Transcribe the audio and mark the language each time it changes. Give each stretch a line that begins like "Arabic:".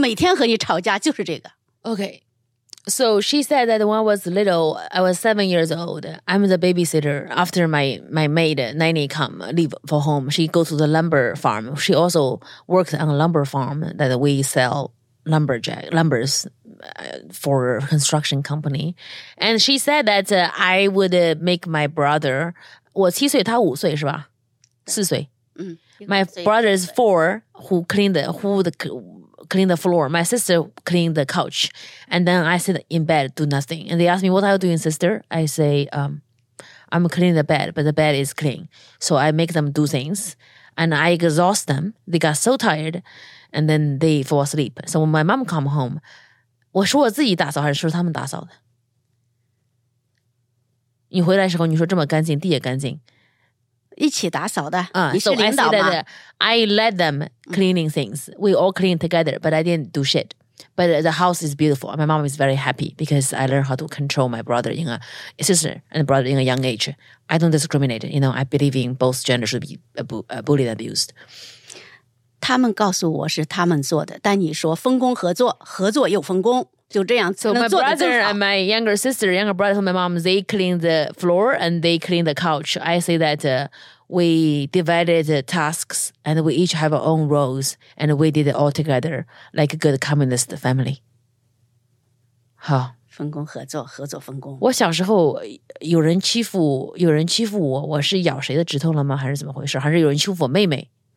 Chinese: 就监督着他们两个搞不好一次两次三次搞得规规矩矩整整齐的妈妈每次回来你会带着他们已经很迟我回来的就很晚了你会带着他们在床上都睡了但是地是干净的沙发是整整齐齐但是现在就不一样了到处乱扔东西你妈每天和你吵架就是这个。
English: OK. So she said that when I was little, I was 7 years old. I'm the babysitter after my maid, Nanny, come leave for home. She goes to the lumber farm. She also works on a lumber farm that we sell lumbers for a construction company. And she said that I would make my brother,
Chinese: 我七岁,他五岁是吧? 四岁.
English: My brother is four, who clean the floor. My sister cleaned the couch. And then I sit in bed, do nothing. And they ask me, what are you doing, sister? I say, I'm cleaning the bed, but the bed is clean. So I make them do things. And I exhaust them. They got so tired. And then they fall asleep. So when my mom come home,
Chinese: 我是我自己打扫还是说他们打扫的? 你回来的时候你说这么干净,地也干净。一起打扫的，你是领导吗？
English: I let them cleaning things. We all clean together, but I didn't do shit. But the house is beautiful. My mom is very happy because I learned how to control my brother in a sister and brother in a young age. I don't discriminate. You know, I believe in both genders should be bullied and abused.
Chinese: 他们告诉我是他们做的，但你说分工合作，合作又分工。
English: So my brother and my younger sister, younger brother and my mom, they clean the floor and they clean the couch. I say that we divided the tasks and we each have our own roles and we did it all together like a good communist family.
Chinese: 好，分工合作，合作分工。我小时候有人欺负我，我是咬谁的指头了吗？还是怎么回事？还是有人欺负我妹妹？